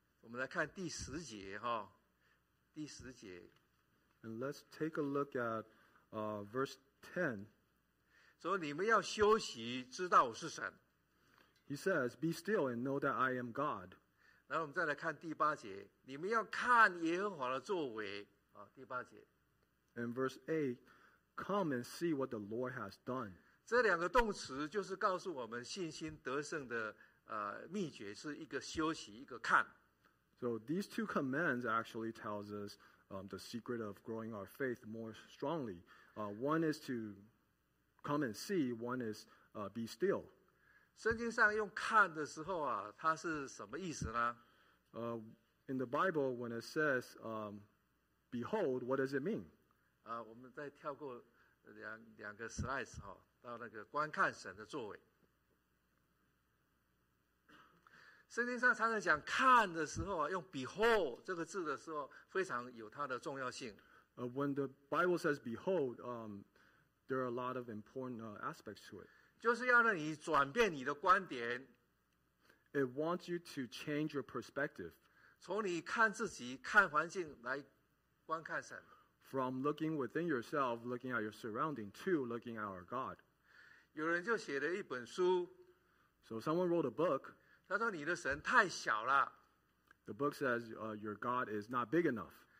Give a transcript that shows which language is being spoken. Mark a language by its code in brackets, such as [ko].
[zh] 然后最后我们跳过几个，我们来看第十节哈。 [en] And let's take a look at verse 10. [zh] 所以你们要休息，知道我是神。 [en] He says, Be still and know that I am God. [zh] 然后我们再来看第八节，你们要看耶和华的作为。第八节。 [en] And verse 8, Come and see what the Lord has done. [zh] 这两个动词就是告诉我们信心得胜的秘诀是一个休息，一个看。 [en] So these two commands actually tells us the secret of growing our faith more strongly. One is to come and see, one is be still. [zh] 圣经上用看的时候啊，它是什么意思呢？ [en] In the Bible, when it says, behold, what does it mean? [zh] 我们再跳过两个 slides 哦，到那个观看神的作为。圣经上常常讲看的时候啊，用 behold 这个字的时候，非常有它的重要性。 [en] When the Bible says behold, there are a lot of important aspects to it. [zh] 就是要让你转变你的观点。 [en] It wants you to change your perspective. [zh] 从你看自己、看环境来观看神。 [en] From looking within yourself, looking at your surrounding, to looking at our God. [zh] 有人就写了一本书。 [en] So someone wrote a book. [zh] 他说：“你的神太小了。” [en] book says, "Your God is not big enough."